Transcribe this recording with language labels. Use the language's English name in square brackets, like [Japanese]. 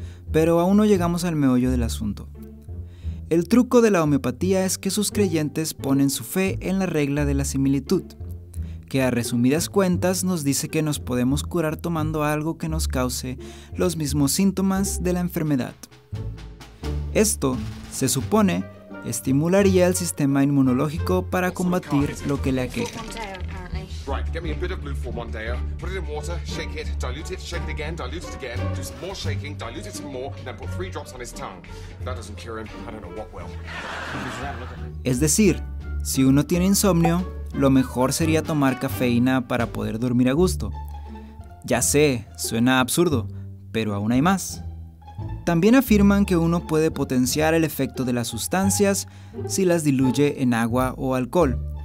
[Spanish] Pero aún no llegamos al meollo del asunto. El truco de la homeopatía es que sus creyentes ponen su fe en la regla de la similitud, que a resumidas cuentas nos dice que nos podemos curar tomando algo que nos cause los mismos síntomas de la enfermedad. Esto, se supone, estimularía el sistema inmunológico para combatir lo que le aqueja. [English] Right, get me a bit of blue for one day. Put it in water, shake it, dilute it, shake it again, dilute it again, do some more shaking, dilute it some more, and then put three drops on his tongue. If that doesn't cure him, I don't know what will. [Spanish] Es decir, si uno tiene insomnio, lo mejor sería tomar cafeína para poder dormir a gusto. Ya sé, suena absurdo, pero aún hay más. También afirman que uno puede potenciar el efecto de las sustancias si las diluye en agua o alcohol.